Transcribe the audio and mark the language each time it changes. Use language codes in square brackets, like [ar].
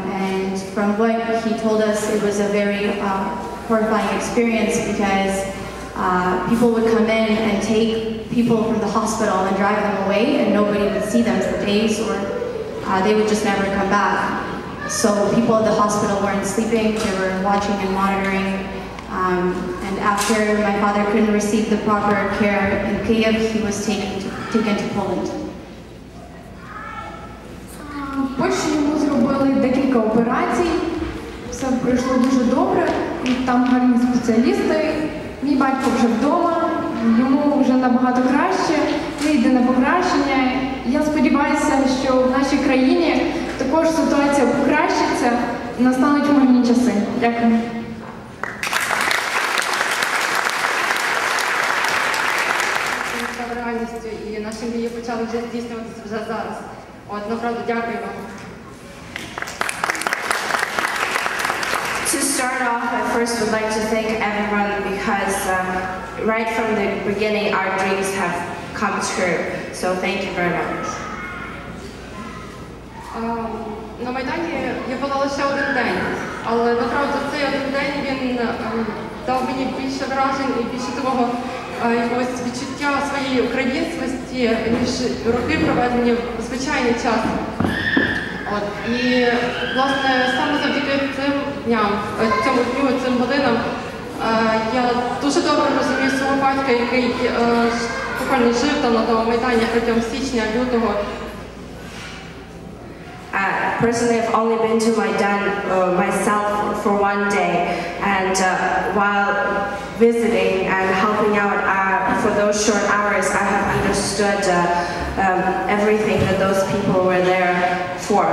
[en] And from what he told us, it was a very horrifying experience because people would come in and take people from the hospital and drive them away, and nobody would see them for days, or they would just never come back. So people at the hospital weren't sleeping, they were watching and monitoring. And after my father couldn't receive the proper care in Kyiv, he was taken to Poland. [uk] Польщі йому зробили декілька операцій. Все пройшло дуже добре. Там гарні спеціалісти. Мій батько вже вдома. Йому вже набагато краще. Не йде на покращення. Я сподіваюся, що в нашій країні також ситуація покращиться. Настануть гарні часи. Дякую. [en] To start off, I first would like to thank everyone because right from the beginning our dreams have come true. So thank you very much. [uk] На Майдані я була лише один день, але насправді цей один день він дав мені більше вражень і більше того якогось відчуття своєї українськості, ніж роки проведені в звичайний час. І, власне, саме завдяки цим годинам я дуже добре розумію свого батька, який буквально жив там на тому Майдані протягом січня, лютого. [en] personally have only been to Maidan myself for one day, and while visiting and helping out for those short hours, I have understood everything that those people were there for.